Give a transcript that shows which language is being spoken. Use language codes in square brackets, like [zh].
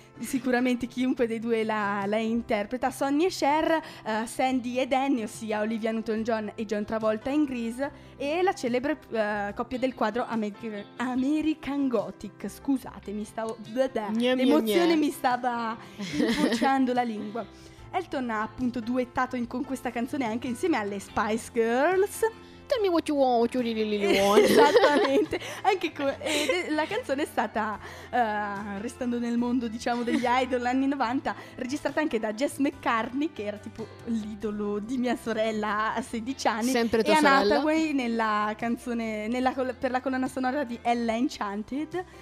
[it] Sicuramente chiunque dei due la interpreta, Sonny e Cher, Sandy e Danny, ossia Olivia Newton-John e John Travolta in Grease, e la celebre coppia del quadro American Gothic. Scusatemi, stavo l'emozione mi stava infuocando la lingua. Elton ha appunto duettato con questa canzone anche insieme alle Spice Girls. [en] Tell me what you want, what you really want. [it] Esattamente. Anche la canzone è stata, restando nel mondo diciamo degli idol anni 90, registrata anche da Jess McCartney, che era tipo l'idolo di mia sorella a 16 anni. Sempre tua e sorella. E Hathaway nella canzone, per la colonna sonora di Ella Enchanted.